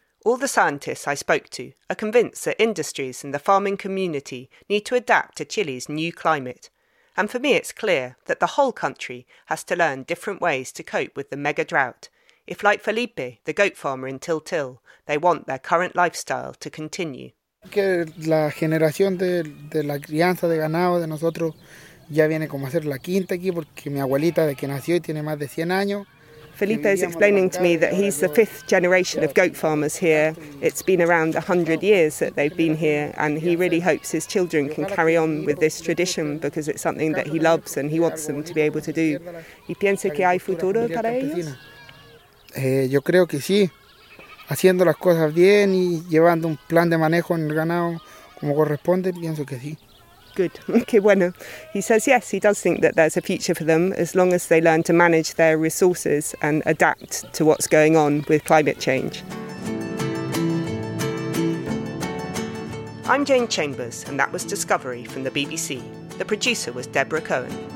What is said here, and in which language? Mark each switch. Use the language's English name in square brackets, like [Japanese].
[English] All the scientists I spoke to are convinced that industries and the farming community need to adapt to Chile's new climate. And for me, it's clear that the whole country has to learn different ways to cope with the mega drought. If, like Felipe, the goat farmer in Tiltil, they want their current lifestyle to continue. [Spanish] Que la generación de la crianza de ganado de nosotros ya viene como a ser la quinta aquí porque mi abuelita de que nació y tiene más de 100 años. [English] Felipe is explaining to me that he's the fifth generation of goat farmers here. It's been around 100 years that they've been here, and he really hopes his children can carry on with this tradition because it's something that he loves and he wants them to be able to do. [Spanish] ¿Y piensa que hay futuro para ellos? Yo creo que sí. Haciendo las cosas bien y llevando un plan de manejo en el ganado como corresponde, pienso que sí. [English] Good. [Spanish] Qué bueno. [English] He says yes, he does think that there's a future for them as long as they learn to manage their resources and adapt to what's going on with climate change. I'm Jane Chambers, and that was Discovery from the BBC. The producer was Deborah Cohen.